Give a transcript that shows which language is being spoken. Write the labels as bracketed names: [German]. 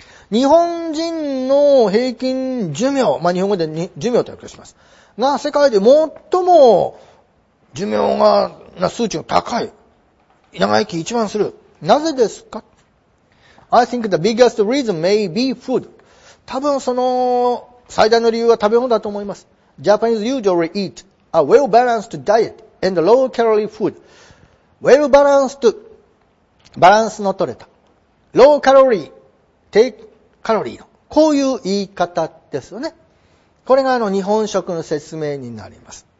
[Japanese] 日本人の平均寿命、まあ、日本語で寿命と訳します。が世界で最も寿命が、な数値が高い。長生き一番する。なぜですか? [English] I think the biggest reason may be food. [Japanese] 多分その最大の理由は食べ物だと思います。 [English] Japanese usually eat a well-balanced diet and low-calorie food. Well-balanced diet. [Japanese] バランスの取れた。ローカロリー、低カロリーの。こういう言い方ですよね。これが日本食の説明になります。